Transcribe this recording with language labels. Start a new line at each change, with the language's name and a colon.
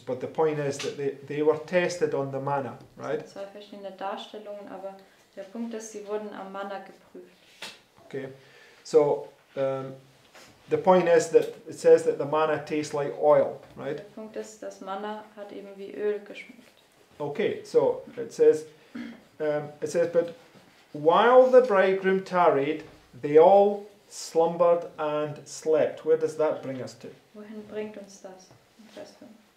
English: But the point is that they were tested on the manna, right?
German: Es sind zwei verschiedene Darstellungen, aber der Punkt ist, sie wurden am Manna geprüft.
English: Okay. So, the point is that it says that the manna tastes like oil, right?
German: Der Punkt ist, das Manna hat eben wie Öl geschmeckt.
English: Okay, so it says, but while the bridegroom tarried, they all slumbered and slept. Where does that bring us to?
German: Wohin bringt uns das? Vers 5.